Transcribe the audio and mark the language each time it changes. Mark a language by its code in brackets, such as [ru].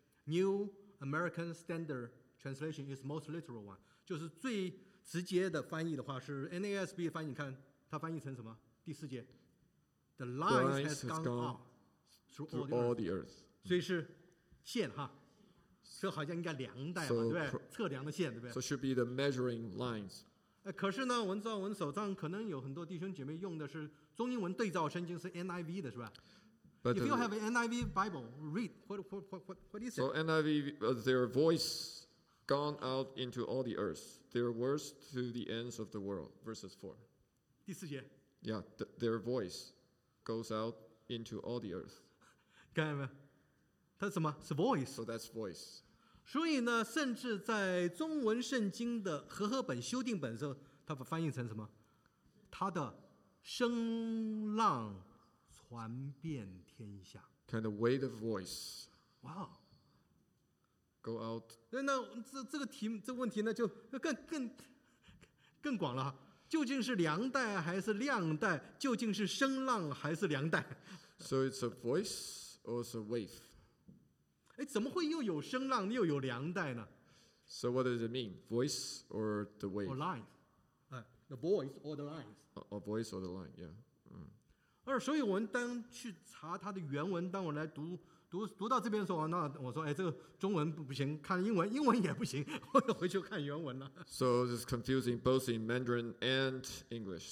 [en] New American Standard Translation is the most literal one. [zh] 就是最直接的翻译的话是 NASB 翻译，你看它翻译成什么？第四节 [en] The lines has gone out through all the earth. [zh] 所以是线哈，这好像应该量代嘛， [en] so, [zh] 对不对？测量的线，对不对 [en] ？So should be the measuring lines. [zh] 可是呢，我们知道我们手上可能有很多弟兄姐妹用的是中英文对照圣经，是 NIV 的，是吧 [en] ？But if you have an NIV Bible, read what is it? So NIV, their voice gone out into all the earth, their words to the ends of the world. Verses 4. [zh] 第四节。 [en] Yeah, their voice goes out into all the earth. [zh] 看见没有？它是什么？是 voice。 [en] So that's voice。 [zh] 所以呢，甚至在中文圣经的和合本修订本的时候，它把翻译成什么？它的声浪传遍天下。 [en] Kind of weight of voice。 Wow。 Go out。 [zh] 那这个题这个问题呢，就更广了。究竟是量代还是量代？究竟是声浪还是量代 [en] ？So it's a voice or it's a wave? [zh] 哎，怎么会又有声浪又有量代呢 [en] ？So what does it mean, voice or the wave? Or lines, the voice or the lines? Or voice or the line, yeah. [zh] 所以我们当去查它的原文，当我来读到这边的时候，那我说，哎，这个中文不行，看英文也不行，我又回去看原文了。 [en] So it's confusing both in Mandarin and English.